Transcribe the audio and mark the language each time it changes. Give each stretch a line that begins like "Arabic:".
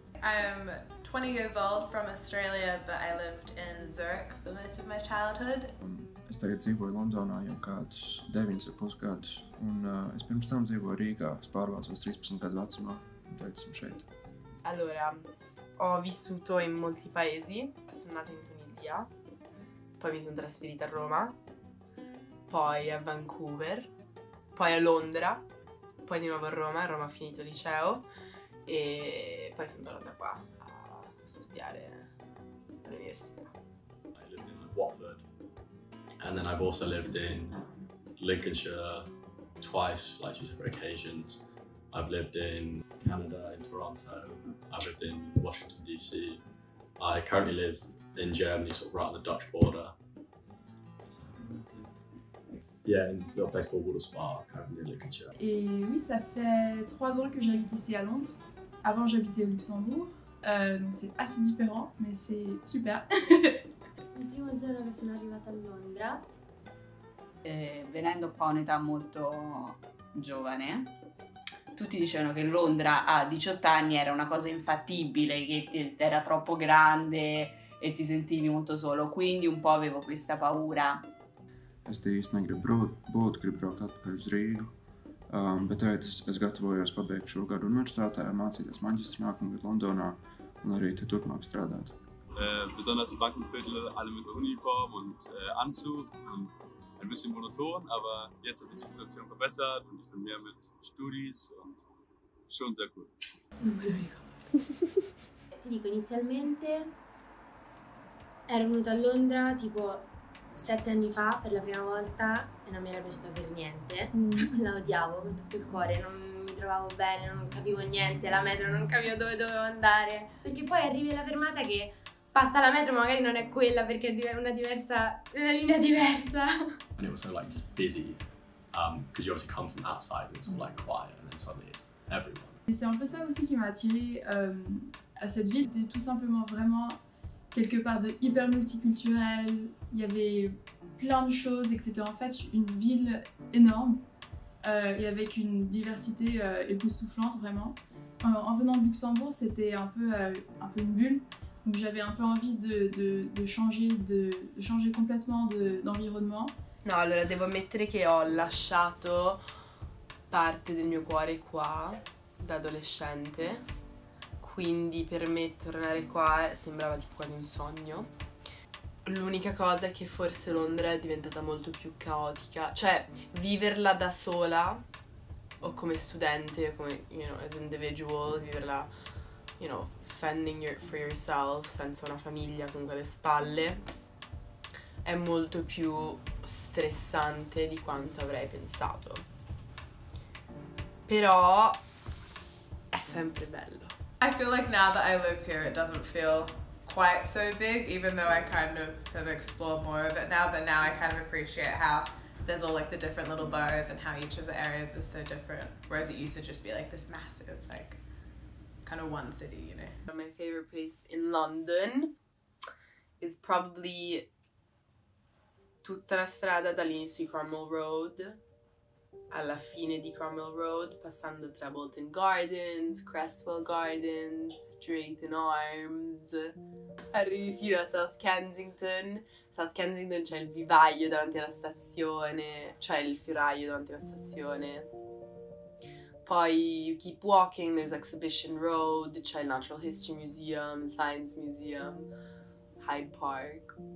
English: I'm 20 years old from Australia, but I lived in Zurich for most of my childhood.
Latvian: Es tagad dzīvo Londonā jau kāds 9,5 gadus. Un es pirms tam dzīvoju Rīgā, es pārvācos 13 gadu vecumā, un tagad esmu šeit.
Italian: Allora, ho vissuto in molti paesi. Sono nata in Tunisia, poi mi sono trasferita a Roma, poi a Vancouver, poi a Londra, poi di nuovo a Roma ho finito liceo e poi sono tornata qua a studiare all'università.
English: I lived in Watford and then I've also lived in Lincolnshire twice, like two separate occasions. I've lived in Canada, in Toronto, I've lived in Washington DC. I currently live in Germany, sort of right on the Dutch border. Yeah, in a place called Waterspark, currently in Lincolnshire.
French: Et oui, ça fait 3 ans que j'habite ici à Londres. Avant, j'habitais au Luxembourg, donc c'est assez différent, mais c'est super.
Italian: Il primo giorno che sono arrivata a Londra, venendo qua a un'età molto giovane, tutti dicevano che Londra a 18 anni era una cosa infattibile, che era troppo grande e ti sentivi molto solo. Quindi un po' avevo questa paura.
Latvian: Es te īsti negribu būt, gribu braukt atpakaļ uz Rīgu, bet tagad es gatavojos pabeigt šo gadu universitātē, mācīties maģistru nākamu gadu Londonā un arī te turpmāk strādāt.
German: Besonders im Bankenviertel, alle mit Uniform und Anzug, ein bisschen monoton, aber jetzt hat sich die Situation verbessert und ich bin mehr mit Studis und schon sehr cool.
Italian: Non me lo ricordo. Ti dico, inizialmente ero venuto a Londra, tipo 7 anni fa, per la prima volta, e non mi era piaciuta per niente. La odiavo con tutto il cuore, non mi trovavo bene, non capivo niente, la metro non capivo dove dovevo andare. Perché poi arrivi alla fermata che passa la metro, ma magari non è quella, perché è una linea diversa.
English: And it was sort of like just busy, because you obviously come from outside, and it's all like quiet, and then suddenly it's everyone.
French: Et c'est un peu ça aussi qui m'a attirée à cette ville, c'était tout simplement vraiment quelque part de hyper multiculturel, il y avait plein de choses et que c'était en fait une ville énorme et avec une diversité époustouflante vraiment. En venant de Luxembourg, c'était un peu une bulle, donc j'avais un peu envie de changer complètement d'environnement.
Italian: No, allora devo ammettere che ho lasciato parte del mio cuore qua da adolescente. Quindi per me tornare qua sembrava tipo quasi un sogno. L'unica cosa è che forse Londra è diventata molto più caotica. Cioè, viverla da sola, o come studente, o come,
English: you know, as individual,
Italian: viverla,
English: you know, fending for yourself,
Italian: senza una famiglia, con quelle spalle, è molto più stressante di quanto avrei pensato. Però è sempre bello.
English: I feel like now that I live here, it doesn't feel quite so big, even though I kind of have explored more of it now, but now I kind of appreciate how there's all like the different little boroughs and how each of the areas is so different, whereas it used to just be like this massive, like, kind of one city, you know? My favorite place in London is probably
Italian: tutta la strada dall'inizio di Cromwell Road alla fine di Cromwell Road, passando tra Bolton Gardens, Cresswell Gardens, Strait and Arms, arrivi fino a South Kensington. South Kensington c'è il vivaio davanti alla stazione, cioè il fioraio davanti alla stazione. Poi
English: you keep walking, there's Exhibition Road,
Italian: c'è il
English: Natural History Museum, Science Museum, Hyde Park.